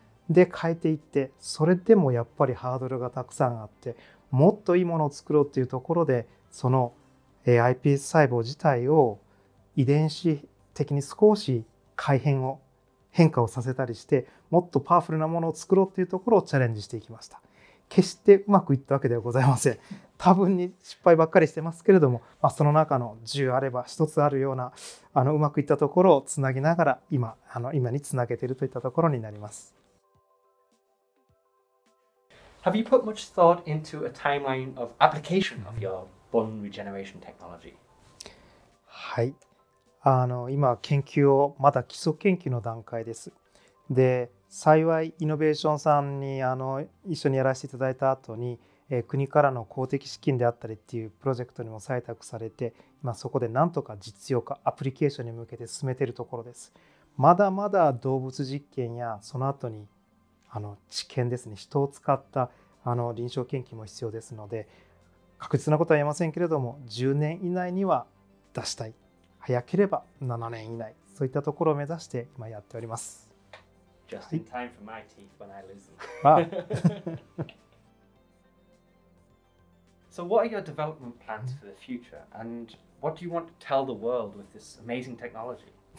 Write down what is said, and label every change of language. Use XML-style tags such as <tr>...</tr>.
<ja>で、変えていって、それでもやっぱりハードルがたくさんあって、もっといいものを作ろうというところで、その iPS 細胞自体を遺伝子的に少し変化をさせたりして、もっとパワフルなものを作ろうというところをチャレンジしていきました。決してうまくいったわけではございません。多分に失敗ばっかりしてますけれども、その中の10あれば1つあるような、うまくいったところをつなぎながら、今につなげているといったところになります。</ja> <en>Have you put much thought into a timeline of application of your bone regeneration technology?</en> <ja>はい、今研究をまだ基礎研究の段階です。で、幸いイノベーションさんに一緒にやらせていただいた後に、国からの公的資金であったりっていうプロジェクトにも採択されて、今そこでなんとか実用化アプリケーションに向けて進めているところです。まだまだ動物実験やその後に治験ですね、人を使った臨床研究も必要ですので、確実なことは言えませんけれども、10年以内には出したい、早ければ7年以内、そういったところを目指して今やっております。</ja> <en>Just in time for my teeth when I lose them. So what are your development plans for the future? And what do you want to tell the world with this amazing technology?</en>